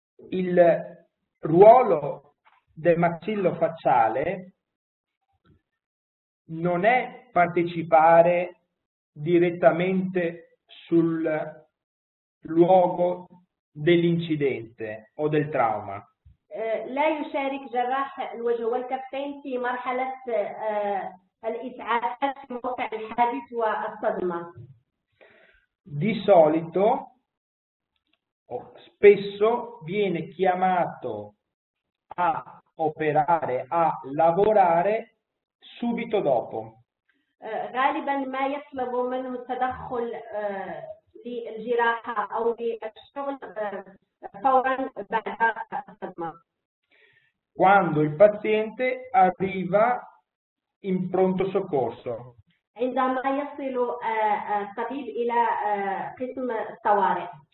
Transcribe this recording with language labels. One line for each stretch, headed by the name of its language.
Italian: Il ruolo del maxillo facciale non è partecipare direttamente sul luogo dell'incidente o del trauma.
Arabic: لا يشارك جراح الوجه والكفين في مرحلة الإسعاف في موقع الحادث والصدمة.
Italian: Di solito, spesso viene chiamato a operare, a lavorare subito dopo.
Arabic: غالبا ما يطلب منه التدخل للجراحة أو للشغل فورا بعد الصدمة.
Italian: Quando il paziente arriva in pronto soccorso.
Arabic: عندما يصل الطبيب إلى قسم الطوارئ.